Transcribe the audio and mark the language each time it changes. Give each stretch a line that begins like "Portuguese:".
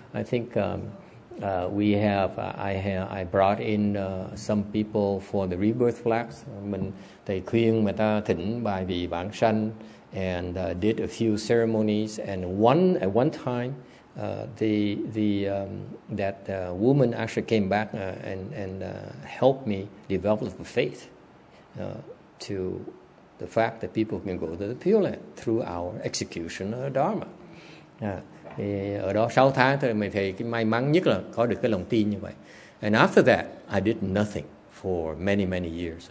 English: I think I brought in some people for the rebirth flags.
Vietnamese: Mình thầy khuyên người ta thỉnh bài vị vãng sanh
English: and did a few ceremonies. And at one time the woman actually came back and helped me develop the faith to the fact that people can go to the Pure Land through our execution of Dharma.
Vietnamese: Thì ở đó 6 tháng thôi, mình thấy cái may mắn nhất là có được cái lòng tin như vậy.
English: And after that, I did nothing for many, many years.